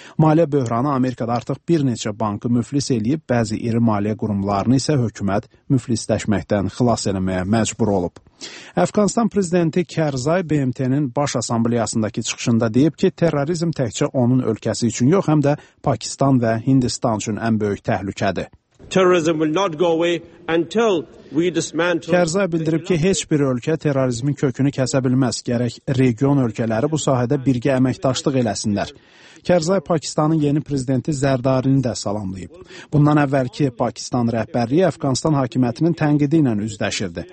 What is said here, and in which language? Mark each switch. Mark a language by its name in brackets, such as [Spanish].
[Azerbaijani] Maliyyə böhranı Amerikada artıq bir neçə bankı müflis eləyib, bəzi iri maliyyə qurumlarını isə hökumət müflisləşməkdən xilas eləməyə məcbur olub. Əfqanistan prezidenti Kərzay BMT-nin baş assambleyasındakı çıxışında deyib ki, terrorizm təkcə onun ölkəsi üçün yox, həm də Pakistan və Hindistan üçün ən böyük təhlükədir. [English] Terrorism will not go away until we dismantle. [Azerbaijani] Kərzay bildirib ki, heç bir ölkə terrorizmin kökünü kəsə bilməz, gərək region ölkələri bu sahədə birgə əməkdaşlıq eləsinlər. Kərzay Pakistanın yeni prezidenti Zərdarini də salamlayıb. Bundan əvvəlki Pakistan rəhbərliyi Əfqanistan hakimiyyətinin tənqidi ilə üzləşirdi.